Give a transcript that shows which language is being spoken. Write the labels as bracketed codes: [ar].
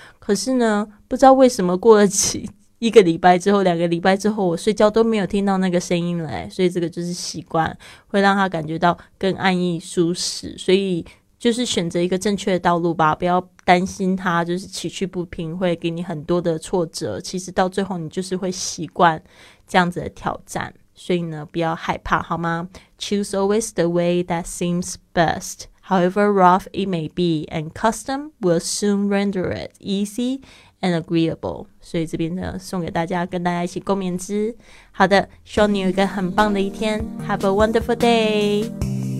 [zh] 可是呢，不知道为什么过了一个礼拜之后两个礼拜之后，我睡觉都没有听到那个声音了，所以这个就是习惯会让他感觉到更安逸舒适。所以就是选择一个正确的道路吧，不要担心他就是崎岖不平会给你很多的挫折，其实到最后你就是会习惯这样子的挑战，所以呢不要害怕好吗？ [en] Choose always the way that seems best, however rough it may be, and custom will soon render it easy and agreeable. [zh] 所以这边呢送给大家，跟大家一起共勉之。好的，希望你有一个很棒的一天。 [en] Have a wonderful day.